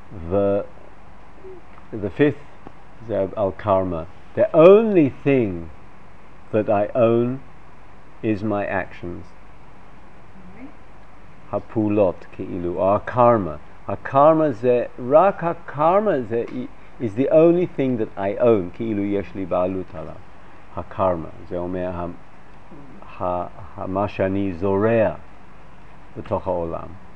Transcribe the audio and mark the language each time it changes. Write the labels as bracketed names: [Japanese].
[English] The fifth [Hebrew] זה על קרמה. [English] The only thing that I own is my actions. [Hebrew] הפעולות כאילו, [English] or karma. [Hebrew] הקרמה זה רק הקרמה זה [English] is the only thing that I own, [Hebrew] כאילו יש לי בעלות עליו. הקרמה, זה אומר מה שאני זורע בתוך העולם.